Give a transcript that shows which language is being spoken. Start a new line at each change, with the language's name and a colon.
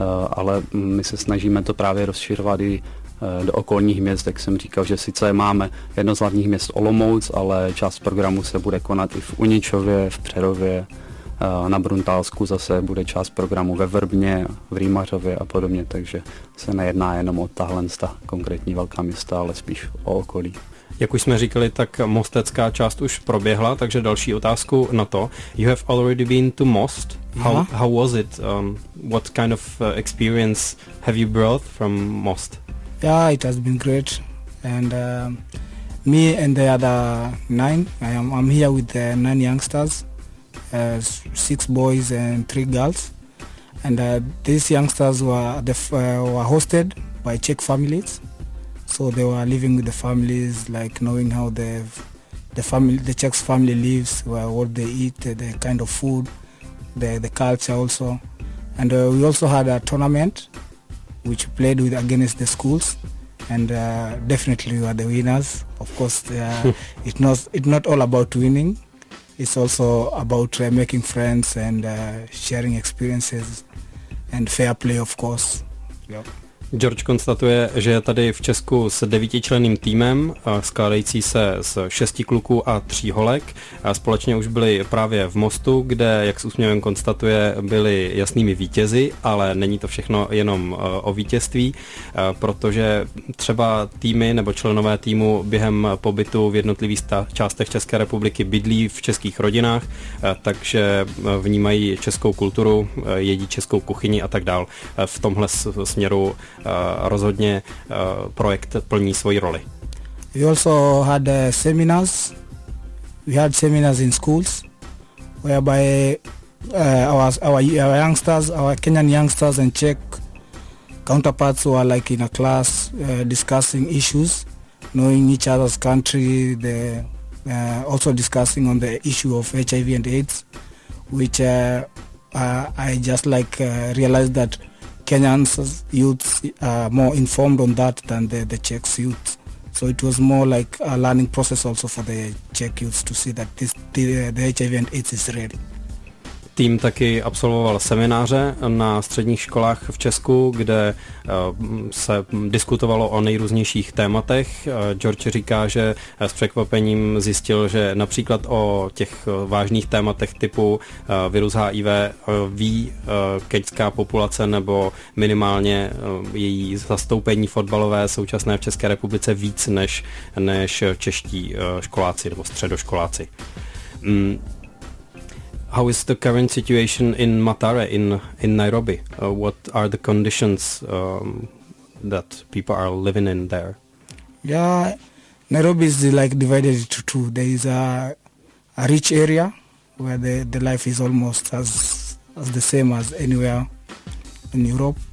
Czech: Ale my se snažíme to právě rozšiřovat i do okolních měst, jak jsem říkal, že sice máme jedno z hlavních měst Olomouc, ale část programu se bude konat i v Uničově, v Přerově, na Bruntálsku zase bude část programu ve Vrbně, v Rýmařově a podobně, takže se nejedná jenom o tahle konkrétní velká města, ale spíš o okolí. Jak už jsme říkali, tak mostecká část už proběhla, takže další otázku na to.
English: You have already been to Most. How was it? What kind of experience have you brought from Most? Yeah, it has been great. And me and the other nine, I'm here with the nine youngsters. Six boys and three girls, and these youngsters were hosted by Czech families, so they were living with the families, like knowing how the Czech's family lives, what they eat, the kind of food, the culture also, and we also had a tournament which played with against the schools, and definitely we were the winners. Of course, it's not all about winning. It's also about making friends and sharing experiences and fair play, of course. Yep.
Czech: George konstatuje, že je tady v Česku s devítičlenným týmem, skládající se z šesti kluků a tří holek. Společně už byli právě v Mostu, kde, jak s úsměvem konstatuje, byli jasnými vítězi, ale není to všechno jenom o vítězství, protože třeba týmy nebo členové týmu během pobytu v jednotlivých částech České republiky bydlí v českých rodinách, takže vnímají českou kulturu, jedí českou kuchyni a tak dál. V tomhle směru rozhodně projekt plní svoji roli.
English: We also had seminars. We had seminars in schools whereby our youngsters, our Kenyan youngsters and Czech counterparts were like in a class discussing issues, knowing each other's country, also discussing on the issue of HIV and AIDS, which I just like realized that Kenyans youths are more informed on that than the Czech youths. So it was more like a learning process also for the Czech youths to see that this the HIV and AIDS is real.
Czech: tým taky absolvoval semináře na středních školách v Česku, kde se diskutovalo o nejrůznějších tématech. George říká, že s překvapením zjistil, že například o těch vážných tématech typu virus HIV ví keňská populace nebo minimálně její zastoupení fotbalové současné v České republice víc než čeští školáci nebo středoškoláci.
English: How is the current situation in Matare, in Nairobi? What are the conditions that people are living in there? Yeah, Nairobi is like divided into two. There is a rich area where the life is almost as the same as anywhere in Europe.